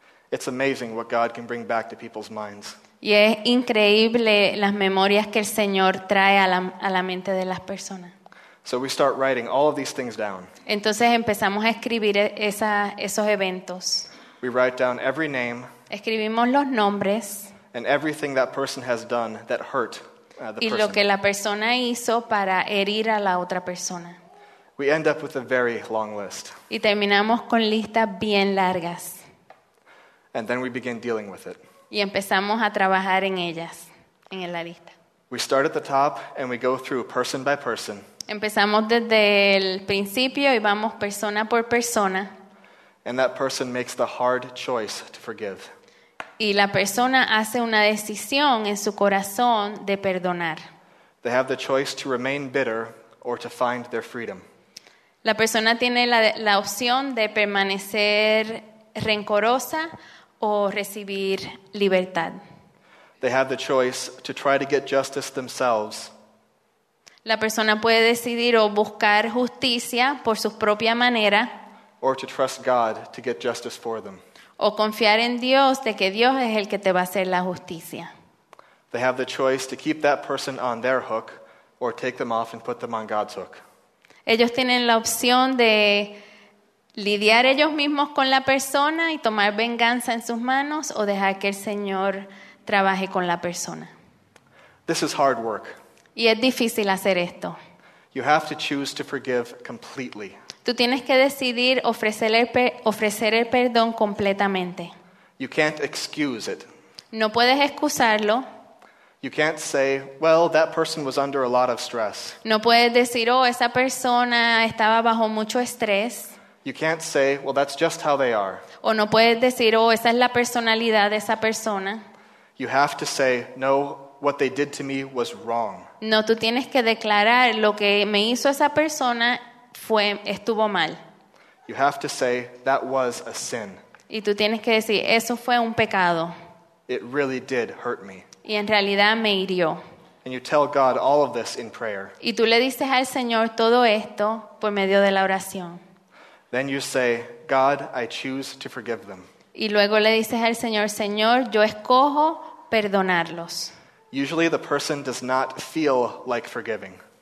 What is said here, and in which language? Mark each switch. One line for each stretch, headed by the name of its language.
English: It's amazing what God can bring back to people's minds.
Spanish: Y es increíble las memorias que el Señor trae a la mente de las personas.
English: So we start writing all of these things down.
Spanish: Entonces empezamos a escribir esos eventos.
English: We write down every name.
Spanish: Escribimos los nombres.
English: And everything that person has done that hurt the person.
Spanish: Y lo que la persona hizo para herir a la otra persona.
English: We end up with a very long list.
Spanish: Y terminamos con listas bien largas.
English: And then we begin dealing with it.
Spanish: Y empezamos a trabajar en ellas, en la lista.
English: We start at the top and we go through person by person.
Spanish: Empezamos desde el principio y vamos persona por persona.
English: And that person makes the hard choice to forgive.
Spanish: Y la persona hace una decisión en su corazón de perdonar.
English: They have the choice to remain bitter or to find their freedom.
Spanish: La persona tiene la opción de permanecer rencorosa o recibir libertad.
English: They have the choice to try to get justice themselves.
Spanish: La persona puede decidir o buscar justicia por su propia manera.
English: or to trust God to get justice for them.
Spanish: O confiar en Dios de que Dios es el que te va a hacer la justicia.
English: They have the choice to keep that person on their hook or take them off and put them on God's hook.
Spanish: Ellos tienen la opción de lidiar ellos mismos con la persona y tomar venganza en sus manos o dejar que el Señor trabaje con la persona.
English: This is hard work.
Spanish: Y es difícil hacer esto.
English: You have to choose to forgive completely.
Spanish: Tú tienes que decidir ofrecer el perdón completamente.
English: You can't excuse it.
Spanish: No puedes excusarlo.
English: You can't say, well, that person was under a lot of stress.
Spanish: No puedes decir, oh, esa persona estaba bajo mucho estrés.
English: You can't say, well, that's just how they are.
Spanish: O no puedes decir, oh, esa es la personalidad de esa persona.
English: You have to say, no, what they did to me was wrong.
Spanish: No, tú tienes que declarar lo que me hizo esa persona estuvo mal.
English: You have to say, that was a sin.
Spanish: Y tú tienes que decir, eso fue un pecado.
English: It really did hurt me.
Spanish: Y en realidad me hirió.
English: And you tell God all of this in prayer.
Spanish: Y tú le dices al Señor todo esto por medio de la oración.
English: Then you say, God, I choose to forgive them.
Spanish: Y luego le dices al Señor, Señor, yo escojo perdonarlos.
English: Usually the person does not feel like forgiving.